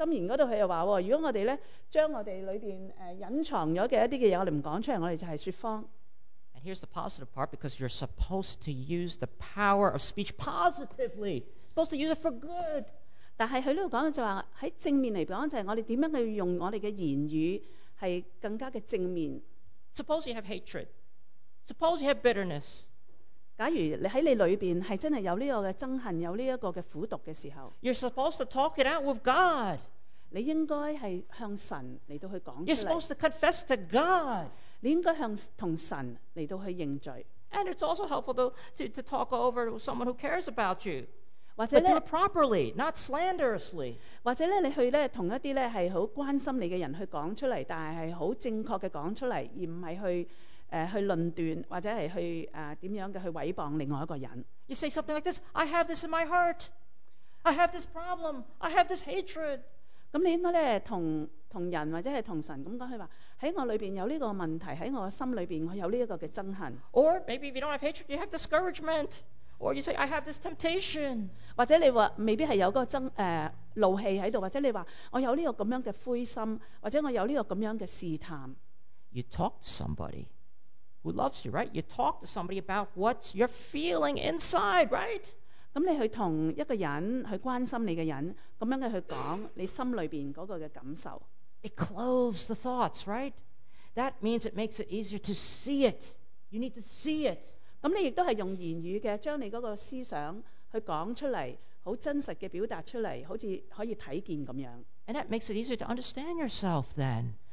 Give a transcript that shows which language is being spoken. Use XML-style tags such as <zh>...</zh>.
<yue>箴言嗰度佢又话，如果我哋咧将我哋里边隐藏咗嘅一啲嘅嘢，我哋唔讲出嚟，我哋就系说谎。</yue> <en>And here's the positive part, because you're supposed to use the power of speech positively, supposed to use it for good.</en> <yue>但系佢呢度讲就话喺正面嚟讲，就系我哋点样去用我哋嘅言语系更加嘅正面。</yue> <en>Suppose you have hatred. Suppose you have bitterness.</en> <yue>假如你喺你里边系真系有呢个嘅憎恨，有呢一个嘅苦毒嘅时候</yue> <en>，You're supposed to talk it out with God.</en> <yue>你应该系向神嚟到去讲出嚟。</yue> <en>You're supposed to confess to God.</en> <yue>你应该向同神嚟到去认罪。</yue> <en>And it's also helpful to talk over someone who cares about you.</en> <yue>或者咧</yue> <en>，do it properly, not slanderously.</en> <yue>或者咧，你去咧同一啲咧系好关心你嘅人去讲出嚟，但系系好正确嘅讲出嚟，而唔系去。去论断或者系去点样嘅去毁谤另外一个人。</yue> <en>You say something like this, I have this in my heart. I have this problem. I have this hatred.</en> <yue>咁你应该咧同人或者系同神咁讲，佢话喺我里边有呢个问题，喺我心里边我有呢一个嘅憎恨。</yue> <en>Or maybe if you don't have hatred, you have discouragement. Or you say I have this temptation.</en> <yue>或者你话未必系有个憎怒气喺度，或者你话我有呢个咁样嘅灰心，或者我有呢个咁样嘅试探。</yue> <en>You talk to somebody. Who loves you, right? You talk to somebody about what you're feeling inside, right?</en> <yue>咁你去同一个人去关心你嘅人，咁样嘅去讲你心里边嗰个嘅感受。</yue> <en>It clothes the thoughts, right? That means it makes it easier to see it. You need to see it.</en> <yue>咁你亦都系用言语嘅，将你嗰个思想去讲出嚟，好真实嘅表达出嚟，好似可以睇见咁样。</yue> <en>And that makes it easier to understand yourself then.</en>